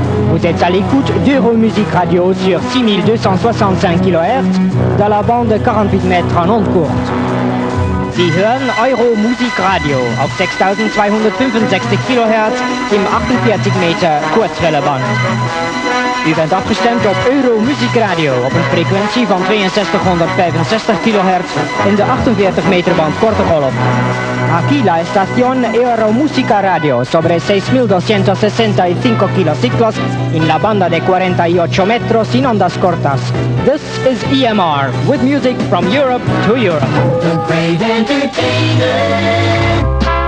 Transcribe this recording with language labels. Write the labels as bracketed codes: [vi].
[fr] Vous êtes à l'écoute d'Euromusic Radio sur 6,265 kHz dans la bande 48 mètres en onde courte. [de] Sie hören Euromusic Radio auf 6,265 kHz im 48-meter Kurzwelleband. [nl] U bent afgestemd op Euromusic Radio op een frequentie van 6265 kHz in de 48-meterband korte golf. [es] Aquí la estación Euromusica Radio sobre 6265 kilociclos in la banda de 48 metros sin ondas cortas. [en] This is EMR with music from Europe to Europe. The great entertainer.